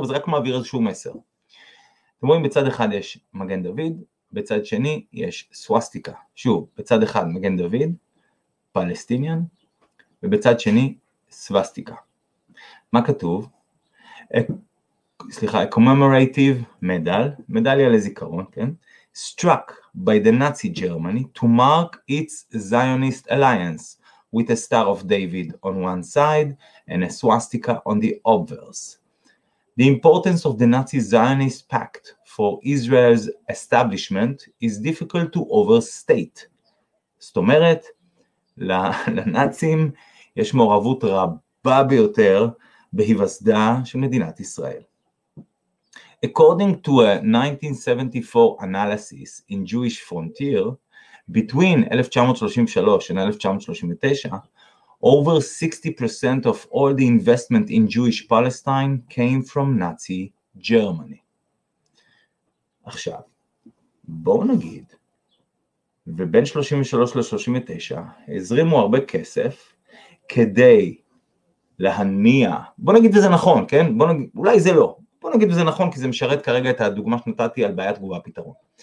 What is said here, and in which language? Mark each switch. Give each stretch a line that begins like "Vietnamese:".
Hebrew: וזה רק מעביר איזשהו מסר. אתם רואים, בצד אחד יש מגן דוד, בצד שני יש סוואסטיקה. שוב, בצד אחד מגן דוד, פלסטיניאן, ובצד שני סוואסטיקה. מה כתוב? סליחה,
English: a commemorative medal,
Hebrew: מדליה לזיכרון, כן?
English: Struck by the Nazi Germany to mark its Zionist alliance with a star of David on one side and a swastika on the obverse. The importance of the Nazi Zionist pact for Israel's establishment is difficult to overstate.
Hebrew: זאת אומרת, לנאצים יש מעורבות רבה ביותר בהיווסדה של מדינת ישראל.
English: According to a 1974 analysis in Jewish Frontier, between 1933 and 1939, over 60% of all the investment in Jewish Palestine came from Nazi Germany.
Hebrew: עכשיו, בואו נגיד, ובין 33 ל-39, הזרימו הרבה כסף כדי להניע, בואו נגיד וזה נכון, כן? בואו נגיד, אולי זה לא, בוא נגיד וזה נכון, כי זה משרת כרגע את הדוגמה שנתתי על בעיית תגובה פתרון.